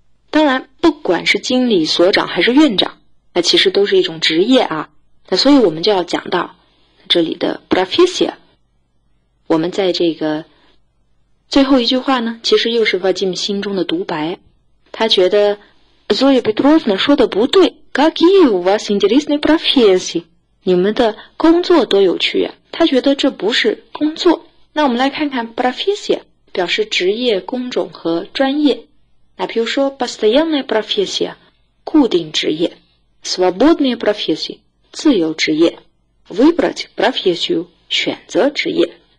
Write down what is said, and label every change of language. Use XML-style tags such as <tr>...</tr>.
<zh>当然，不管是经理、所长还是院长，那其实都是一种职业啊。那所以我们就要讲到这里的 профессия。我们在这个最后一句话呢，其实又是 Вадим 心中的独白。他觉得 Зоя Петровна 说的不对，</zh> <ru>какие у вас интересные профессии？</ru> <zh>你们的工作多有趣啊，他觉得这不是工作。那我们来看看 профессия， 表示职业、工种和专业。那比如说</zh> <ru>постоянная профессия，</ru> <zh>固定职业；</zh> <ru>свободная профессия，</ru> <zh>自由职业；</zh> <ru>выбрать профессию，</ru> <zh>选择职业。</zh>